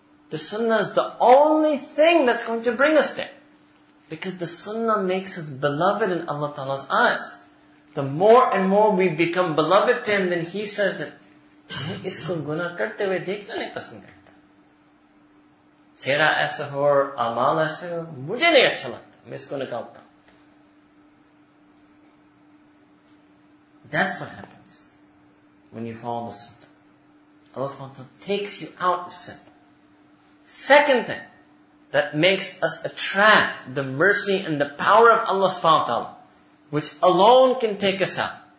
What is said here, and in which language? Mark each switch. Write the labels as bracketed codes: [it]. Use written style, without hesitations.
[en] The sunnah is the only thing that's going to bring us there. Because the sunnah makes us beloved in Allah Ta'ala's eyes. The more and more we become beloved to Him, then He says that, [ur] اس کو گناہ کرتے ہوئے دیکھنا نہیں پسند کرتا۔ چہرہ ایسا ہو، عمل ایسا ہو، مجھے نہیں اچھا لگتا۔ میں اس کو نکالتا۔ [en] That's what happens when you follow the sunnah. Allah subhanahu wa ta'ala takes you out of sin. Second thing that makes us attract the mercy and the power of Allah subhanahu wa ta'ala, which alone can take us out.